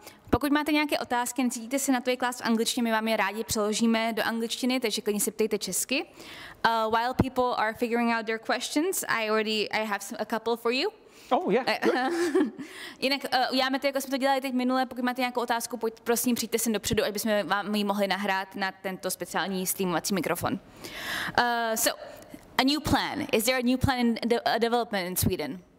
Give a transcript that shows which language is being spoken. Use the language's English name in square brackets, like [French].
[Czech] Pokud máte nějaké otázky, necítíte se na to, jak klást v angličtině, my vám je rádi přeložíme do angličtiny, takže klidně se ptejte česky. [English] While people are figuring out their questions, I have a couple for you. Oh, yeah, good. [Czech] Jinak uděláme to, jako jsme to dělali teď minule, pokud máte nějakou otázku, prosím, přijďte sem dopředu, aby jsme vám ji mohli nahrát na tento speciální streamovací mikrofon. [English] So, a new plan. Is there a new plan in development in Sweden?